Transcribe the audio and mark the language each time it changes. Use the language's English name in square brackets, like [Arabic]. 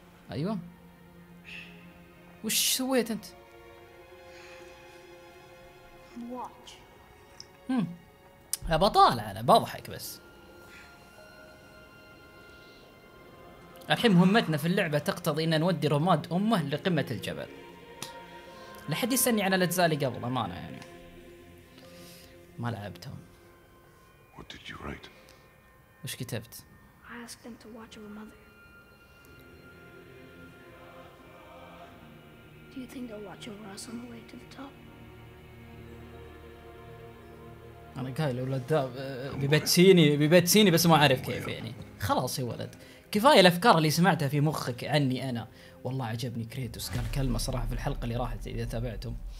[Arabic] أيوة وش سويت أنت؟ بطالع أنا بضحك بس. الحين مهمتنا في اللعبة تقتضي ان نودي رماد امه لقمة الجبل. لحد يسني على الاجزاء اللي قبل امانة يعني. ما لعبتهم. [English] What did you write? [Arabic] وش كتبت؟ [English] I asked them to watch over mother. Do you think they'll watch over us on the way to the top? [Arabic] انا قايل الولد بيبتسيني بس ما اعرف كيف يعني. خلاص يا ولد كفايه الافكار اللي سمعتها في مخك عني انا. والله عجبني كريتوس قال كلمه صراحه في الحلقه اللي راحت اذا تابعتم.